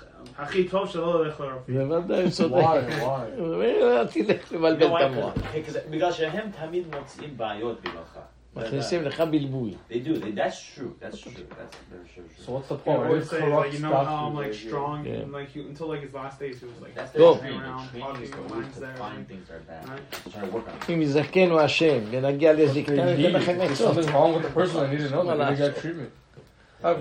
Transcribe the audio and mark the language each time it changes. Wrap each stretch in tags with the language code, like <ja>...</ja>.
<he>תמיד היה אומר, הכי טוב שלא הולך לרופאים. למה אתה צודק? וואי, וואי. אני לא הולך לבלבל את המוח. בגלל שהם תמיד מוצאים בעיות בגללך. מכניסים לך בלבוי.</he> <en>They do, that's true. So what's the point? They always say, you know how I'm like strong? Until like his last days, he was like, that's the training.</en> <he>אם יזכנו השם ונגיע לזקנה, אני אתן לכם עצות.</he> <en>There's something wrong with the person, I need to know that. I got treatment.</en>